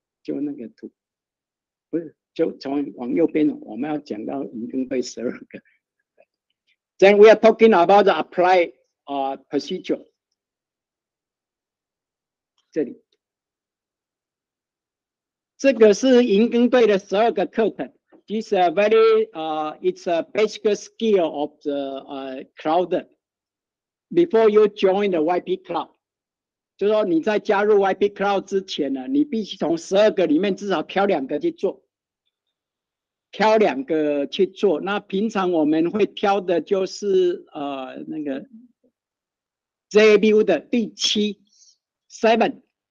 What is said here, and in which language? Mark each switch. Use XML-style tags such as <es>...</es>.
<zh>就那个图，不是，就从往右边，我们要讲到云端对十二个。</zh> <en>Then we are talking about the apply procedure.</en> <zh>这里，这个是云端对的十二个课程。</zh> <en>This is a very it's a basic skill of the cloud. Before you join the YP cloud.</en> <zh>就是说你在加入 YP Cloud 之前呢，你必须从十二个里面至少挑两个去做，那平常我们会挑的就是那个 Z Builder 第七 seven，</zh>